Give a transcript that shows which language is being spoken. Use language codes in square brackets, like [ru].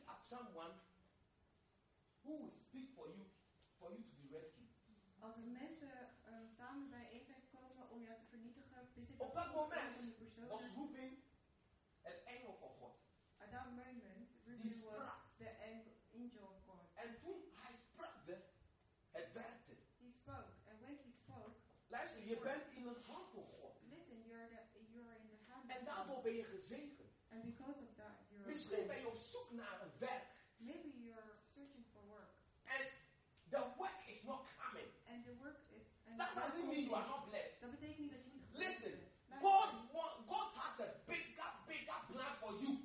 [en] someone who will speak for you to be rescued. [nl] Als er mensen samen bij één zijn gekomen om jou te vernietigen, bid ik op dat moment was roeping het engel van God. [en] At that moment, Ruby was the angel of God. [nl] En toen hij sprak, het werkte. [en] He spoke, and when he spoke, [nl] luister, je bent in een hand van God. [en] Listen, you're in the hand. [nl] En daardoor ben je gezegend. [en] And because of that, you're. [nl] Misschien ben je op zoek naar een werk. [en] Maybe you're searching for work. And the work is not coming. And the work is. That doesn't mean you are not blessed. [nl] Dat betekent niet dat je niet. [en] Listen, God has a bigger plan for you.